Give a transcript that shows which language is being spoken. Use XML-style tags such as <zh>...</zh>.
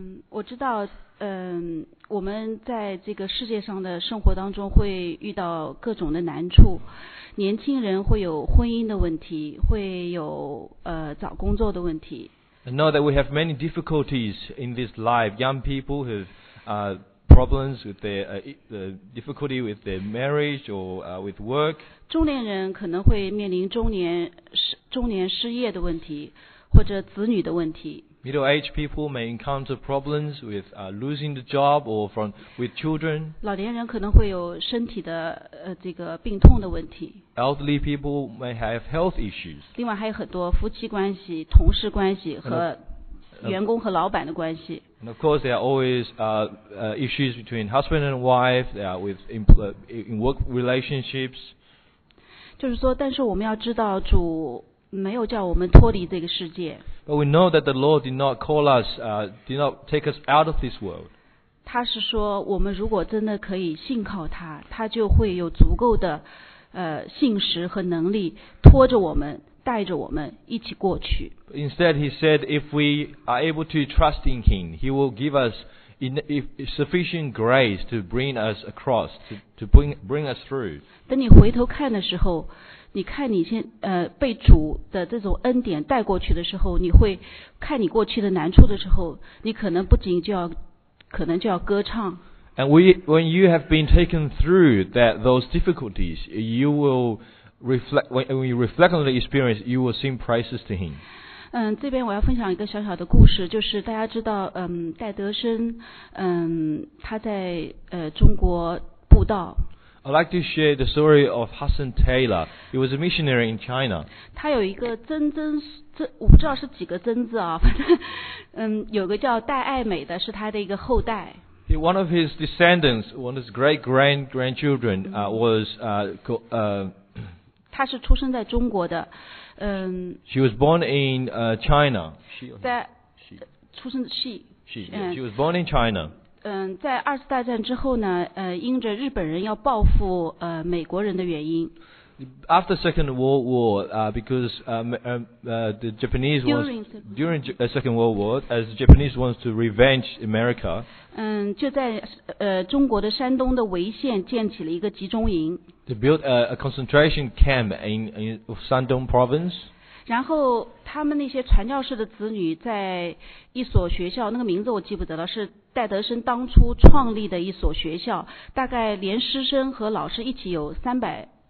<zh>我知道，我们在这个世界上的生活当中会遇到各种的难处，年轻人会有婚姻的问题，会有找工作的问题。</zh> <en>I know that we have many difficulties in this life. Young people have problems with their the difficulty with their marriage or with work.</en> <zh>中年人可能会面临中年失业的问题，或者子女的问题。</zh> <en>Middle-aged people may encounter problems with losing the job or with children.</en> <zh>老年人可能会有身体的这个病痛的问题。</zh> <en>Elderly people may have health issues.</en> <zh>另外还有很多夫妻关系、同事关系和员工和老板的关系。</zh> <en>And of course, there are always issues between husband and wife. There are with in work relationships.</en> <zh>就是说，但是我们要知道主没有叫我们脱离这个世界。</zh> <en>But we know that the Lord did not call us, did not take us out of this world.</en> <zh>他是说，我们如果真的可以信靠他，他就会有足够的信实和能力拖着我们，带着我们一起过去。</zh> <en>Instead, he said, if we are able to trust in him, he will give us sufficient grace to bring us across, to bring us through.</en> <zh>等你回头看的时候，你看你先被主的这种恩典带过去的时候，你会看你过去的难处的时候，你可能不仅就要可能就要歌唱。</zh> <en>And when you have been taken through those difficulties, you will reflect when you reflect on the experience, you will sing praises to Him.</en> <zh>这边我要分享一个小小的故事，就是大家知道，戴德生，他在中国布道。</zh> <en>I'd like to share the story of Hudson Taylor. He was a missionary in China.</en> <zh>他有一个真真，我不知道是几个真字啊，反正，有个叫戴爱美的，是他的一个后代。</zh> <en>One of his descendants, one of his great grand grandchildren, was</en> <zh>他是出生在中国的，</zh> <en>She was born in China.</en> <zh>在出生的 she.</zh> <en>She was born in China.</en> <zh>在二次大战之后呢，因着日本人要报复美国人的原因。</zh> <en>After Second World War, because the Japanese was during Second World War, as the Japanese wants to revenge America.</en> <zh>就在中国的山东的潍县建起了一个集中营。</zh> <en>They built a concentration camp in Shandong Province.</en> <zh>然后他们那些传教士的子女在一所学校，那个名字我记不得了，是戴德生当初创立的一所学校，大概连师生和老师一起有300。</zh>